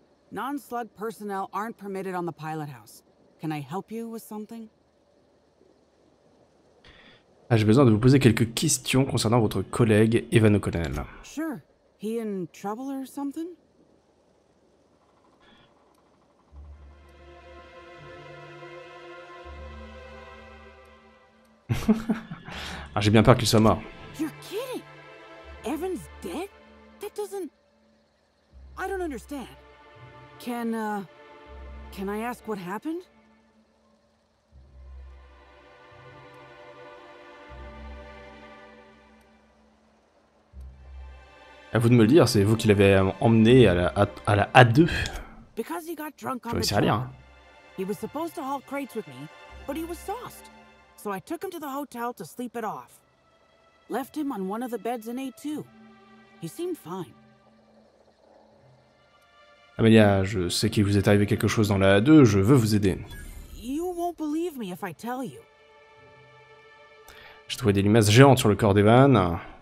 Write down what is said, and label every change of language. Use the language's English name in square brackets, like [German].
[English] Non-slug personnel aren't permitted on the pilot house. Can I help you with something? [French] Ah, j'ai besoin de vous poser quelques questions concernant votre collègue Evan O'Connell. [English] Sure. He in trouble or something? [French] Ah, j'ai bien peur qu'il soit mort. [English] You're kidding. Evan's dead? That doesn't. I don't understand. Can I ask what happened? [French] À vous de me le dire, c'est vous qui l'avez emmené à la A2. [English] Because he got drunk on the job. [French] Rien. [English] He was supposed to haul crates with me, but he was sauced. So I took him to the hotel to sleep it off. Left him on one of the beds in A2. He seemed fine. [French] Amelia, je sais qu'il vous est arrivé quelque chose dans la A2, je veux vous aider. [English] You won't believe me if I tell you. [French] J'ai trouvé des limaces géantes sur le corps d'Evan.